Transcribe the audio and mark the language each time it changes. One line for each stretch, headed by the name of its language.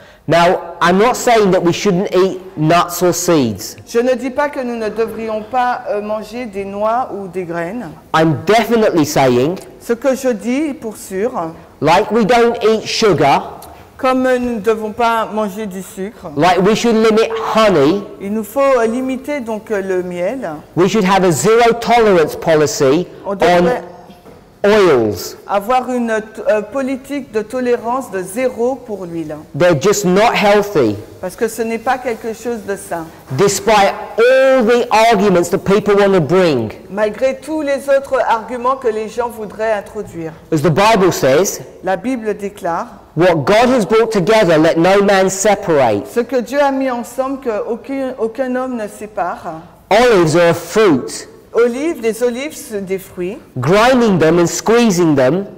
English: Now, I'm not saying that we shouldn't eat nuts or seeds.
French: Je ne dis pas que nous ne devrions pas manger des noix ou des graines.
English: I'm definitely saying.
French: Ce que je dis pour sûr.
English: Like we don't eat sugar.
French: Comme nous ne devons pas manger du sucre.
English: Like we should limit honey.
French: Il nous faut limiter donc le miel.
English: We should have a zero tolerance policy on oils.
French: Avoir une politique de tolérance de zéro pour l'huile.
English: They're just not healthy.
French: Parce que ce n'est pas quelque chose de sain.
English: Despite all the arguments that people want to bring.
French: Malgré tous les autres arguments que les gens voudraient introduire.
English: As the Bible says.
French: La Bible déclare.
English: What God has brought together, let no man separate.
French: Ce que Dieu a mis ensemble, qu'aucun homme ne sépare.
English: Olives are a fruit.
French: Olives, des olives, des fruits.
English: Grinding them and squeezing them.